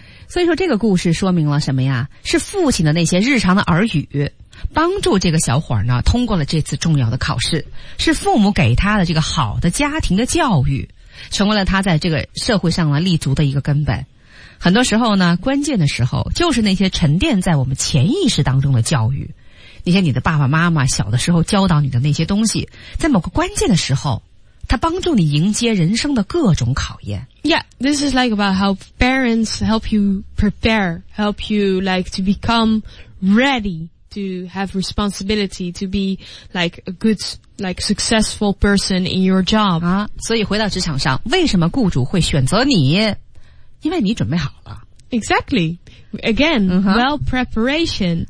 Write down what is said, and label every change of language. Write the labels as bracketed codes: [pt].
[zh] 所以说这个故事说明了什么呀？是父亲的那些日常的耳语帮助这个小伙呢通过了这次重要的考试，是父母给他的这个好的家庭的教育成为了他在这个社会上立足的一个根本。很多时候呢，关键的时候就是那些沉淀在我们潜意识当中的教育，那些你的爸爸妈妈小的时候教导你的那些东西，在某个关键的时候它帮助你迎接人生的各种考验。 [en] Yeah, this is like about how parents help you prepare, help you like to become ready to have responsibility, to be like a good, like successful person in your job. [zh] 啊，所以回到职场上，为什么雇主会选择你？因为你准备好了。 [en] Exactly. Again, well preparation.